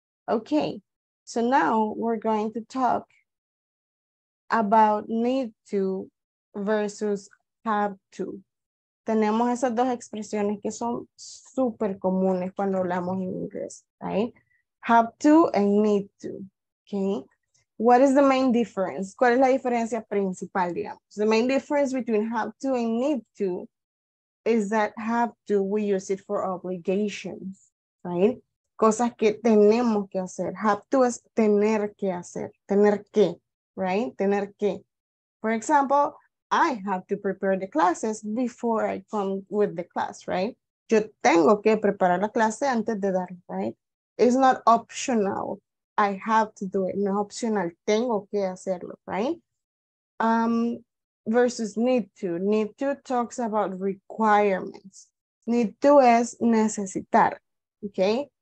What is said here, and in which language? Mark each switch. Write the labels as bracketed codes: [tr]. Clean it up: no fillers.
[en] Okay, so now we're going to talk about need to versus have to. [es] Tenemos esas dos expresiones que son súper comunes cuando hablamos en inglés, right? [en] Have to and need to, okay? What is the main difference? [es] ¿Cuál es la diferencia principal, digamos? [en] The main difference between have to and need to is that have to, we use it for obligations, right? [es] Cosas que tenemos que hacer. Have to es tener que hacer, tener que, right? Tener que. [en] For example, I have to prepare the classes before I come with the class, right? [es] Yo tengo que preparar la clase antes de dar, right? [en] It's not optional. I have to do it. [es] No es opcional. Tengo que hacerlo, right? Versus need to. [en] Need to talks about requirements. Need to es necesitar, okay?